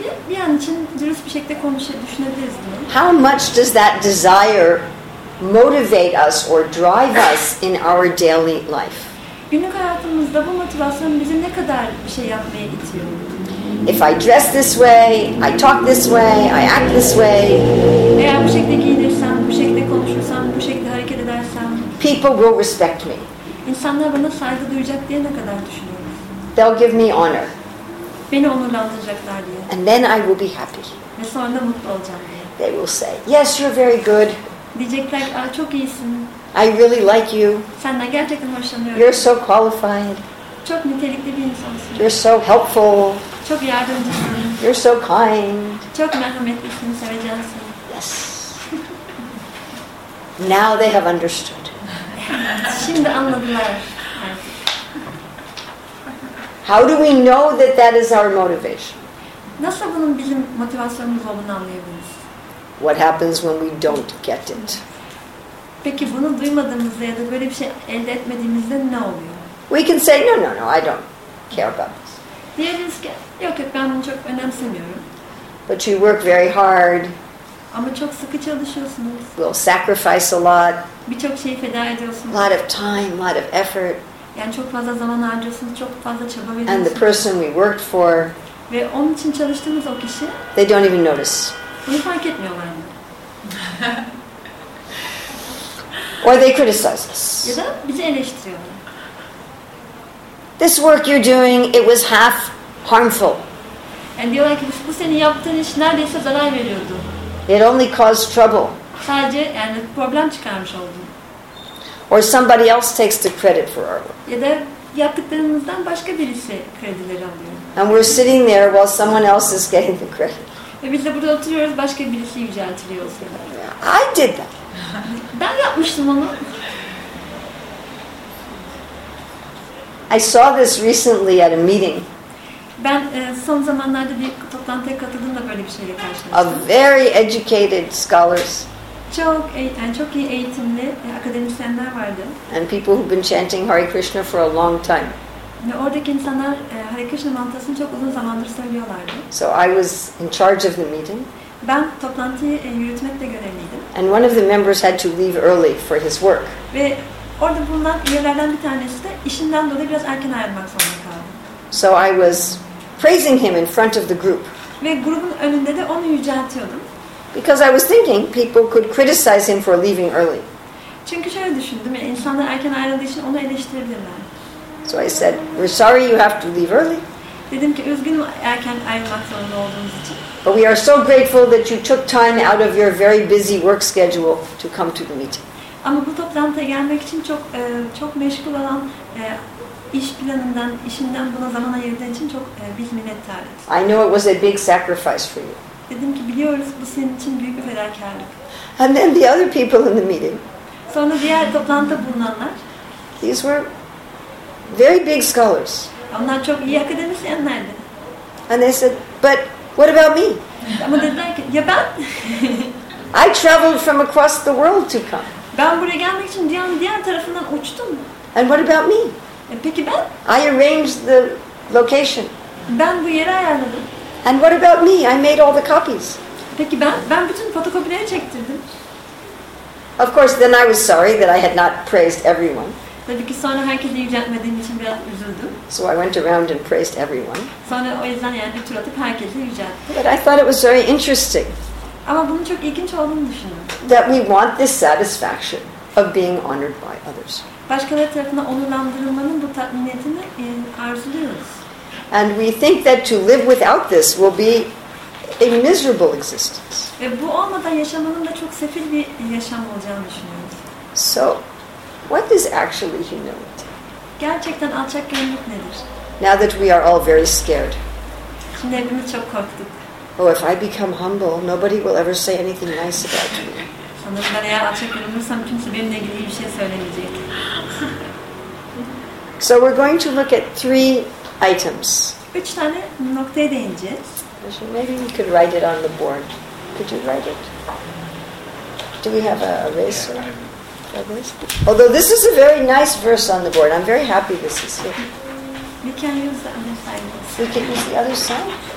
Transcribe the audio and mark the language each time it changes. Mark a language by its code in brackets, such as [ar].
[tr] Bir an için dürüst bir şekilde düşünebiliriz mi? [en] How much does that desire motivate us or drive us in our daily life? [tr] Günlük hayatımızda bu motivasyon bizi ne kadar bir şey yapmaya itiyor? [en] If I dress this way, I talk this way, I act this way. [tr] Eğer bu şekilde giyinirsem, bu şekilde konuşursam, bu şekilde hareket edersem. [en] People will respect me. [tr] İnsanlar bana saygı duyacak diye ne kadar düşünüyorum? [en] They'll give me honor. [tr] Beni onurlandıracaklar diye. [en] And then I will be happy. [tr] Ve sonra mutlu olacağım diye. [en] They will say, yes, you're very good. [tr] Diyecekler, aa, çok iyisin. [en] I really like you. [tr] Senden gerçekten hoşlanıyorum. [en] You're so qualified. [tr] Çok nitelikli bir insansın. [en] You're so helpful. [tr] Çok yardımcısın. [en] You're so kind. [tr] Çok merhametlisin, seveceksin. [en] Yes. Now they have understood. [tr] Şimdi anladılar. [en] How do we know that that is our motivation? [tr] Nasıl bunun bizim motivasyonumuz olduğunu anlayabiliriz? [en] What happens when we don't get it? [tr] Peki bunu duymadığımızda ya da böyle bir şey elde etmediğimizde ne oluyor? [en] We can say no, I don't care about this. [tr] Diyebiliriz ki yok, ben bunu çok önemsemiyorum. [en] But you work very hard. [tr] Ama çok sıkı çalışıyorsunuz. [en] We'll sacrifice a lot. [tr] Birçok şeyi feda ediyorsunuz. [en] Lot of time, lot of effort. [tr] Yani çok fazla zaman harcıyorsunuz, çok fazla çaba veriyorsunuz. [en] And the person we worked for. [tr] Ve onun için çalıştığımız o kişi. [en] They don't even notice. [tr] Bunu fark etmiyorlar mı? [en] Or they criticize us. [tr] Ya da bizi eleştiriyorlar. [en] This work you're doing, it was half harmful. [tr] And diyorlar ki bu senin yaptığın iş neredeyse zarar veriyordu. [en] It only caused trouble. [tr] Sadece yani problem çıkarmış oldu. [en] Or somebody else takes the credit for our work. [tr] Ya da yaptıklarımızdan başka birisi kredileri alıyor. [en] And we're sitting there while someone else is getting the credit. [tr] Ve biz de burada oturuyoruz, başka birisi yüceltiliyor. [en] I did that. [tr] Ben yapmıştım onu. [en] I saw this recently at a meeting. [tr] Ben son zamanlarda bir toplantıya katıldım da böyle bir şeyle karşılaştım. [en] A very educated scholars. [tr] Çok yani çok iyi eğitimli akademisyenler vardı. [en] And people who've been chanting Hare Krishna for a long time. [tr] Ve oradaki insanlar Hare Krishna mantrasını çok uzun zamandır söylüyorlardı. [en] So I was in charge of the meeting. [tr] Ben toplantıyı yürütmekle görevliydim. [en] And one of the members had to leave early for his work. [tr] Ve orada bulunan üyelerden bir tanesi de işinden dolayı biraz erken ayrılmak zorunda kaldı. [en] So I was praising him in front of the group. [tr] Ve grubun önünde de onu yüceltiyordum. [en] Because I was thinking people could criticize him for leaving early. [tr] Çünkü şöyle düşündüm, insanlar erken ayrıldığı için onu eleştirebilirler. [en] So I said, "We're sorry you have to leave early." [tr] Dedim ki, üzgünüm erken ayrılmak zorunda olduğunuz için. [en] But we are so grateful that you took time out of your very busy work schedule to come to the meeting. [tr] Ama bu toplantıya gelmek için çok çok meşgul olan iş planından, işinden buna zaman ayırdığın için çok biz minnettarız. [en] I know it was a big sacrifice for you. [tr] Dedim ki, biliyoruz bu senin için büyük bir fedakarlık. [en] And then the other people in the meeting. [tr] Sonra diğer toplantıda bulunanlar. [en] These were very big scholars. [tr] Onlar çok iyi akademisyenlerdi. [en] And they said, but what about me? [tr] Ama dediler ki, ya ben? [en] I traveled from across the world to come. [tr] Ben buraya gelmek için diğer tarafından uçtum. [en] And what about me? [tr] Peki ben? [en] I arranged the location. [tr] Ben bu yeri ayarladım. [en] And what about me? I made all the copies. [tr] Peki ben bütün fotokopileri çektirdim. [en] Of course, then I was sorry that I had not praised everyone. [tr] Tabii ki sonra herkesi yüceltmediğim için biraz üzüldüm. [en] So I went around and praised everyone. [tr] Sonra o yüzden yani bir tur atıp herkesi yücelttim. [en] But I thought it was very interesting. [tr] Ama bunun çok ilginç olduğunu düşünüyorum. [en] That we want this satisfaction of being honored by others. [tr] Başkaları tarafından onurlandırılmanın bu tatminiyetini arzuluyoruz. [en] And we think that to live without this will be a miserable existence. [tr] Ve bu olmadan yaşamanın da çok sefil bir yaşam olacağını düşünüyoruz. [en] So, what is actually humility? [tr] Gerçekten alçakgönüllülük nedir? [en] Now that we are all very scared. [tr] Şimdi hepimiz çok korktuk. [en] Oh, if I become humble, nobody will ever say anything nice about me. [tr] Sanırım ben eğer alçakgönüllüysem kimse benimle ilgili bir şey söylemeyecek. [en] So we're going to look at three items. [tr] Üç tane noktaya değineceğiz. [en] Maybe you could write it on the board. Could you write it? Do we have a eraser? Yeah, although this is a very nice verse on the board. I'm very happy this is here. We can use the other side. We can use the other side?